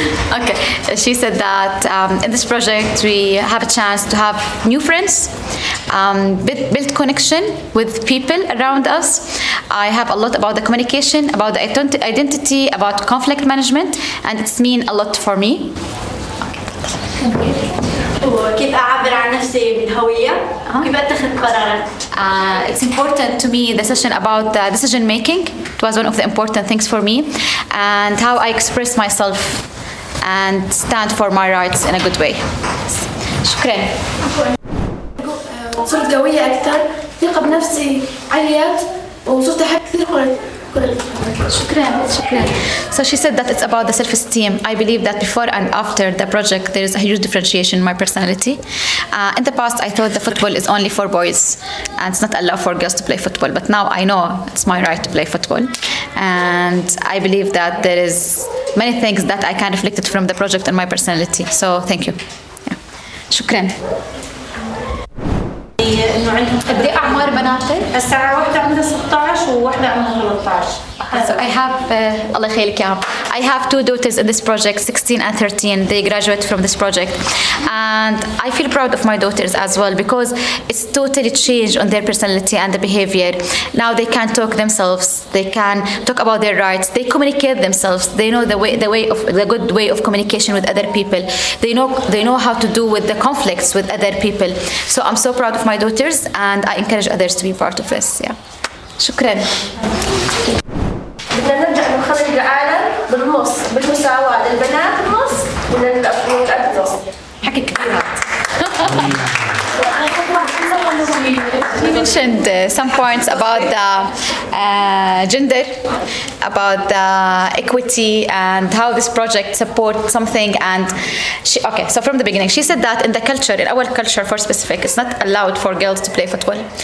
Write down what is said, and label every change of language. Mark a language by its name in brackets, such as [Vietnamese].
[English] Okay, she said that in this project we have a chance to have new friends, build connection with people around us. I have a lot about the communication, about the identity, about conflict management, and it's mean a lot for me. [Arabic] وكيف أعبر عن نفسي بالهوية؟ كيف أتخذ قرارات؟ [English] It's important to me the session about the decision making. It was one of the important things for me, and how I express myself and stand for my rights in a good way. [Arabic] شكرا. صرت قوية أكثر، ثقة بنفسي عليت، وصرت أحب كثير قرارات. [English] So she said that it's about the self-esteem. I believe that before and after the project, there is a huge differentiation in my personality. In the past, I thought the football is only for boys, and it's not allowed for girls to play football. But now I know it's my right to play football. And I believe that there is many things that I can reflect it from the project and my personality. So thank you. Yeah. [Arabic] Shukran. قد ايه اعمار بناتك؟ الساعة واحدة عندها 16 وواحدة عندها 13. [English] So I have, [Arabic] Allah khayrik ya. [English] I have two daughters in this project, 16 and 13. They graduate from this project. And I feel proud of my daughters as well because it's totally changed on their personality and the behavior. Now they can talk themselves. They can talk about their rights. They communicate themselves. They know the good way of communication with other people. They know how to do with the conflicts with other people. So I'm so proud of my daughters, and I encourage others to be part of this. Yeah. [Arabic] Shukran. بدنا نرجع نخلي العالم بالنص بالمساواة للبنات النص وللأبناء النص. حكي كبير. [English] He mentioned some points about the gender, about the equity, and how this project supports something. And she, okay, so from the beginning, she said that in the culture, in our culture for specific, it's not allowed for girls to play football.